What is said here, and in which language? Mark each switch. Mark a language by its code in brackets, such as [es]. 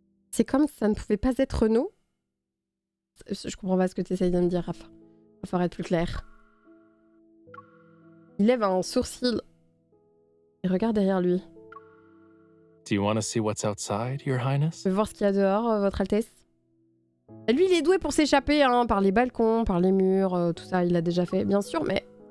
[fr] C'est comme si ça ne pouvait pas être nous. Je comprends pas ce que tu essayes de me dire, Rafa. Il va falloir être plus clair. Il lève un sourcil et regarde derrière lui. [en] Do you want to see what's outside, Your Highness? [fr] Veux voir ce qu'il y a dehors, Votre Altesse. Lui, il est doué pour s'échapper, hein, par les balcons, par les murs, tout ça, il l'a déjà fait, bien sûr, mais...